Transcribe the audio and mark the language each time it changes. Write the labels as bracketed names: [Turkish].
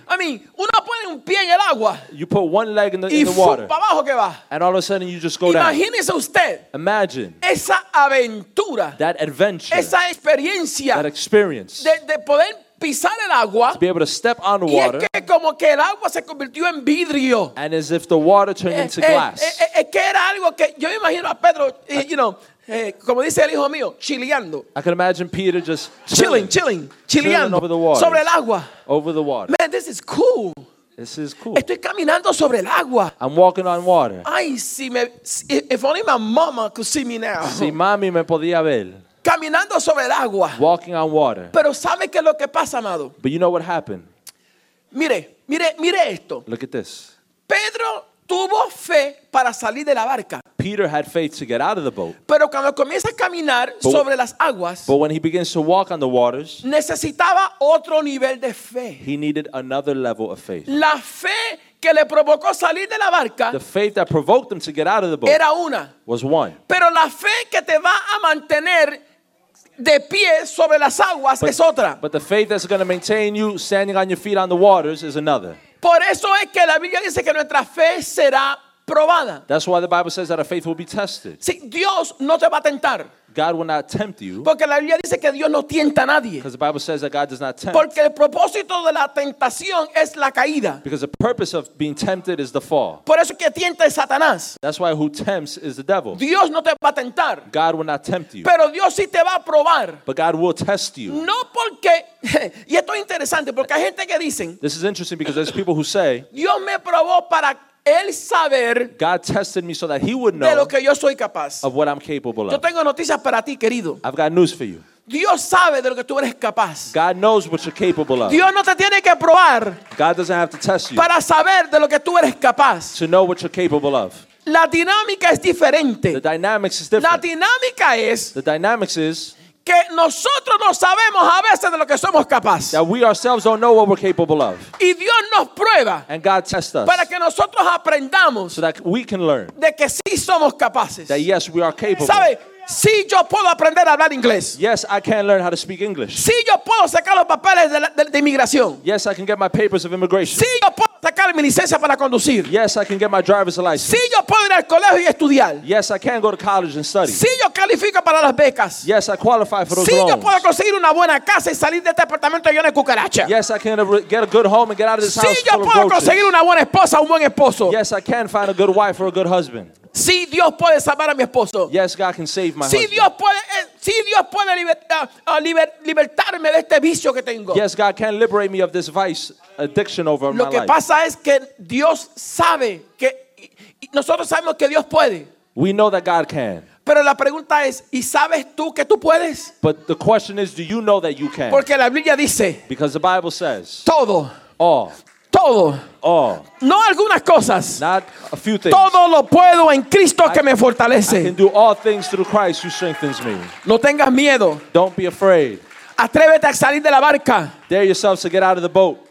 [English] I mean, [Spanish] uno pone un pie en el agua. [English] You put one leg in the water. [Spanish] Y para abajo que va. [English] And all of a sudden you just go [Spanish] imagínese [English] down. [Spanish] Imagínese usted. [English] Imagine. [Spanish] Esa aventura. [English] That adventure. [Spanish] Esa experiencia. [English] That experience. [Spanish] De poder pisar el agua. [English] To be able to step on the water. [Spanish] Y es que como que el agua se convirtió en vidrio. [English] And as if the water turned into glass. [Spanish] Es que era algo que yo imagino a Pedro, [English] you know. [Spanish] Como dice el hijo mío, chileando. [English] I can imagine Peter just [Spanish] chileando [English] over the water. [Spanish] Sobre el agua. [English] Over the water. Man, this is cool. This is cool. [Spanish] Estoy caminando sobre el agua. [English] I'm walking on water. [Spanish] Ay, si me, [English] if only my mama could see me now. [Spanish] Si mami me podía ver. Caminando sobre el agua. [English] Walking on water. [Spanish] Pero ¿sabe qué es lo que pasa, amado? [English] But you know what happened. [Spanish] Mire esto. [English] Look at this. [Spanish] Pedro tuvo fe para salir de la barca. [English] Peter had faith to get out of the boat. [Spanish] Pero cuando comienza a caminar sobre las aguas, [English] but when he begins to walk on the waters, [Spanish] necesitaba otro nivel de fe. [English] He needed another level of faith. [Spanish] La fe que le provocó salir de la barca, [English] the faith that provoked him to get out of the boat, [Spanish] era una. [English] Was one. [Spanish] Pero la fe que te va a mantener de pie sobre las aguas es otra. [English] But the faith that's going to maintain you standing on your feet on the waters is another. [Spanish] Por eso es que la Biblia dice que nuestra fe será probada. [English] That's why the Bible says that our faith will be tested. [Spanish] Sí, Dios no te va a tentar. [English] God will not tempt you. [Spanish] Porque la Biblia dice que Dios no tienta a nadie. [English] Because the Bible says that God does not tempt. [Spanish] Porque el propósito de la tentación es la caída. [English] Because the purpose of being tempted is the fall. [Spanish] Por eso que tienta es Satanás. [English] That's why who tempts is the devil. [Spanish] Dios no te va a tentar. [English] God will not tempt you. [Spanish] Pero Dios sí te va a probar. [English] But God will test you. [Spanish] No porque y esto es interesante porque hay gente que dicen, [English] this is interesting because there's people who say, [Spanish] Dios me probó para él saber, [English] God tested me so that he would know, [Spanish] de lo que yo soy capaz, [English] of what I'm capable of. [Spanish] Yo tengo noticias para ti, querido. [English] I've got news for you. [Spanish] Dios sabe de lo que tú eres capaz. [English] God knows what you're capable of. [Spanish] Dios no te tiene que probar, [English] God doesn't have to test you, [Spanish] para saber de lo que tú eres capaz, [English] to know what you're capable of. [Spanish] La dinámica es diferente. [English] The dynamics is different. [Spanish] La dinámica es, [English] the dynamics is, [Spanish] que nosotros no sabemos a veces de lo que somos capaces. [English] That we ourselves don't know what we're capable of. [Spanish] Y Dios nos prueba. [English] And God tests us. [Spanish] Para que nosotros aprendamos. [English] So that we can learn. [Spanish] De que sí somos capaces. [English] That yes, we are capable. [Spanish] ¿Sabe? Sí, yo puedo aprender a hablar inglés. [English] Yes, I can learn how to speak English. [Spanish] Sí, yo puedo sacar los papeles de inmigración. [English] Yes, I can get my papers of immigration. [Spanish] Sí, yo puedo sacar mi licencia para conducir. [English] Yes, I can get my driver's license. [Spanish] Sí, yo puedo ir al colegio y estudiar. [English] Yes, I can go to college and study. [Spanish] Sí, yo califico para las becas. [English] Yes, I qualify for those [Spanish] sí, [English] loans. [Spanish] Sí, yo puedo conseguir una buena casa y salir de este apartamento lleno de cucarachas. [English] Yes, I can get a good home and get out of this [Spanish] sí, [English] house full of roaches. [Spanish] Sí, yo puedo conseguir una buena esposa o un buen esposo. [English] Yes, I can find a good wife or a good husband. [Spanish] Sí, Dios puede salvar a mi esposo. [English] Yes, God can save my [Spanish] sí, [English] husband. [Spanish] Dios puede, sí, Dios puede libertarme de este vicio que tengo. [English] Yes, God can liberate me of this vice addiction over [Spanish] lo [English] my [Spanish] que [English] life. [Spanish] Pasa es que Dios sabe que nosotros sabemos que Dios puede. [English] We know that God can. [Spanish] Pero la pregunta es, ¿y sabes tú que tú puedes? [English] But the question is, do you know that you can? [Spanish] Porque la Biblia dice. [English] Because the Bible says. [Spanish] Todo. [English] All. [Spanish] Todo. [English] All. [Spanish] No algunas cosas. [English] Not a few things. [Spanish] Todo lo puedo en Cristo que me fortalece. [English] I can do all things through Christ who strengthens me. [Spanish] No tengas miedo. [English] Don't be afraid. [Spanish] Atrévete a salir de la barca. [English] Dare yourselves to get out of the boat.